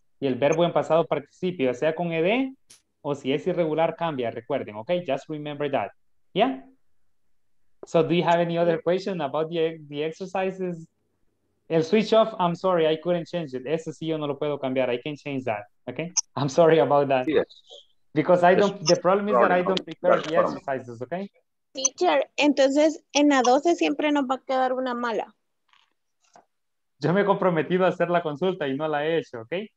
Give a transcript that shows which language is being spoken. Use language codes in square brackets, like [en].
[es] Y el verbo en pasado participio, sea con ed. O si es irregular, cambia, recuerden, ok? [en] Just remember that. [es] Yeah? [en] So, do you have any other question about the exercises? El switch off, I'm sorry, I couldn't change it. [es] Ese sí, yo no lo puedo cambiar. [en] I can't change that, ok? I'm sorry about that. Yes. Because I don't, the problem is that I don't prepare the exercises, ok? [es] Teacher, entonces, en la 12 siempre nos va a quedar una mala. Yo me he comprometido a hacer la consulta y no la he hecho, ok?